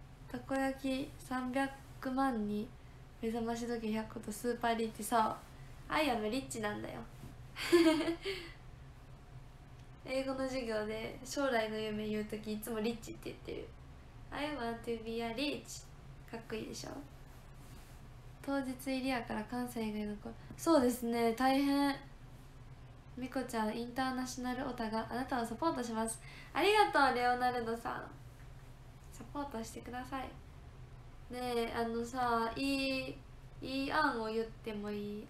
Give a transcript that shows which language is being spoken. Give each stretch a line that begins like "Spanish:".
Japanese: たこ焼き300万に目覚まし時計100個とスーパーリッチ、さアイアムリッチなんだよ。英語の授業で将来の夢言う時いつもリッチって言ってる。
English: I want to be a rich、
Japanese: かっこいいでしょ。当日入りやから関西以外の子、そうですね、大変。みこちゃん、インターナショナルオタがあなたをサポートします。ありがとうレオナルドさん、サポートしてください。ねえ、あのさ、いい案を言ってもいい？